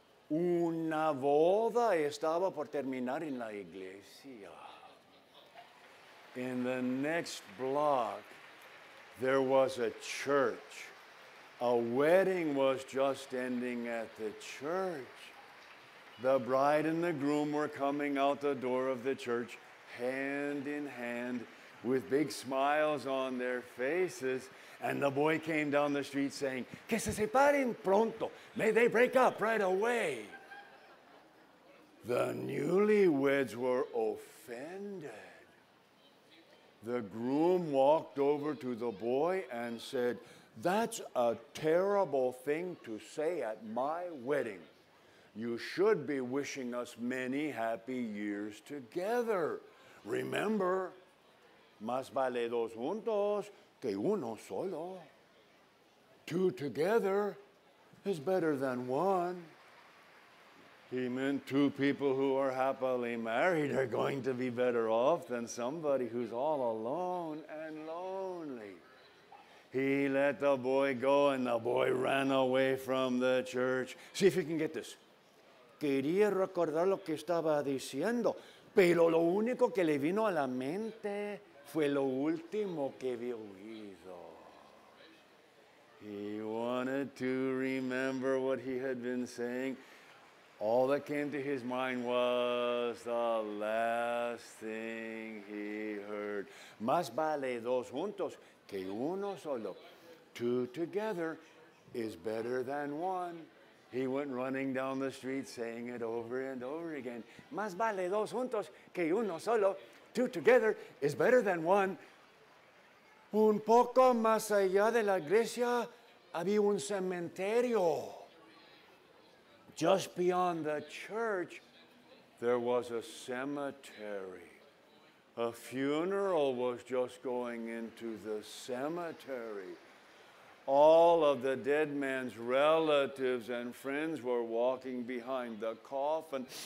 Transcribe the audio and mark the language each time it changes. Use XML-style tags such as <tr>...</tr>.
<es>Una boda estaba por terminar en la iglesia.</es> <en>In the next block, there was a church. A wedding was just ending at the church. The bride and the groom were coming out the door of the church, hand in hand, with big smiles on their faces. And the boy came down the street saying,</en> <es>"Que se separen pronto.</es> <en>May they break up right away." The newlyweds were offended. The groom walked over to the boy and said, "That's a terrible thing to say at my wedding. You should be wishing us many happy years together. Remember,</en> <es>más vale dos juntos que uno solo.</es> <en>Two together is better than one." He meant two people who are happily married are going to be better off than somebody who's all alone and lonely. He let the boy go, and the boy ran away from the church. See if you can get this.</en> <es>Quería recordar lo que estaba diciendo, pero lo único que le vino a la mente fue lo último que había oído.</es> <en>He wanted to remember what he had been saying. All that came to his mind was the last thing he heard.</en> <es>Más vale dos juntos que uno solo.</es> <en>Two together is better than one. He went running down the street saying it over and over again.</en> <es>Más vale dos juntos que uno solo.</es> <en>Two together is better than one.</en> <es>Un poco más allá de la iglesia había un cementerio.</es> <en>Just beyond the church, there was a cemetery. A funeral was just going into the cemetery. All of the dead man's relatives and friends were walking behind the coffin.</en>